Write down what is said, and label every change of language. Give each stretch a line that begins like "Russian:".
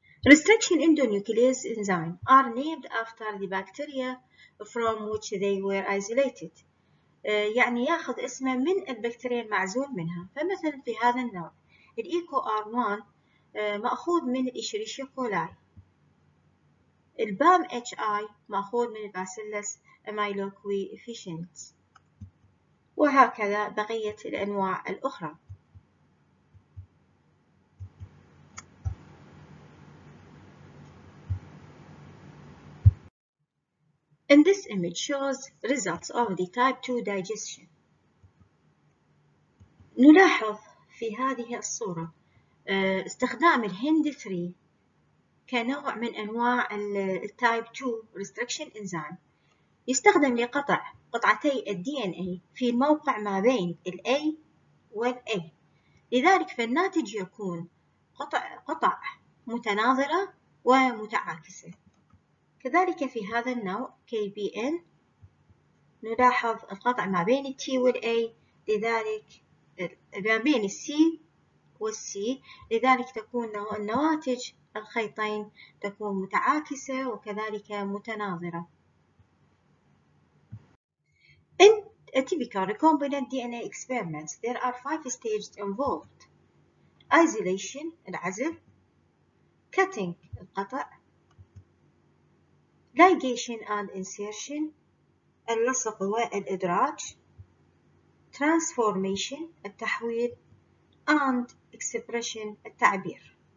English: Restriction endonuclease enzyme are named after the bacteria from which they were isolated.
Arabic: يعني ياخذ اسمه من البكتيريا المعزول منها. فمثلا في هذا النوع الايكو ار1 مأخوذ من الاشريشيا كولاي. البام اتش اي مأخوذ من الباسيلس امايلوكوي افيشنت. وهكذا بقية الانواع الاخرى.
English: And this image shows results of the type 2 digestion.
Arabic: نلاحظ في هذه الصورة استخدام الهند 3 كنوع من أنواع
English: type 2 restriction enzyme.
Arabic: يستخدم لقطع قطعتي DNA في الموقع ما بين A والA. لذلك فالناتج يكون قطع متناظرة ومتعاكسة. كذلك في هذا النوع KBN نلاحظ القطع ما بين T والA لذلك ما بين C والC لذلك تكون النواتج الخيطين تكون متعاكسة وكذلك متناظرة.
English: In a typical recombinant DNA experiments, there are 5 stages involved. Isolation
Arabic: العزل,
English: cutting
Arabic: القطع,
English: ligation and insertion
Arabic: اللصق والإدراج,
English: transformation
Arabic: التحويل,
English: and expression
Arabic: التعبير.